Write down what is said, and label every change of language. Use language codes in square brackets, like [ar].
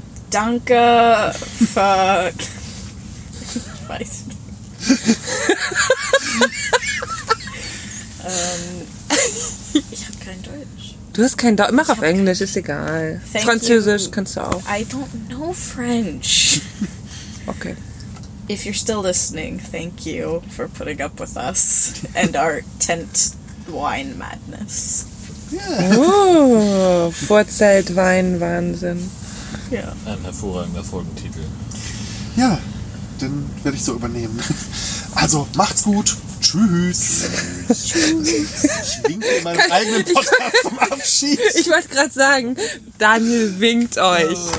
[de] danke für... Ich weiß nicht. ich habe kein Deutsch. Du hast kein Deutsch. Mach auf Englisch, ist egal. Französisch kannst du auch. [en] I don't know French. Okay. If you're still listening, thank you for putting up with us and our tent wine madness. Yeah. Oh, [de] Vorzelt Wein Wahnsinn. Ja. [en] Yeah. [de] Ein hervorragender Folgentitel. Ja, den werde ich so übernehmen. Also, macht's gut. Tschüss. Ich winke in meinem eigenen Podcast zum Abschied. Ich wollte gerade sagen, Daniel winkt euch.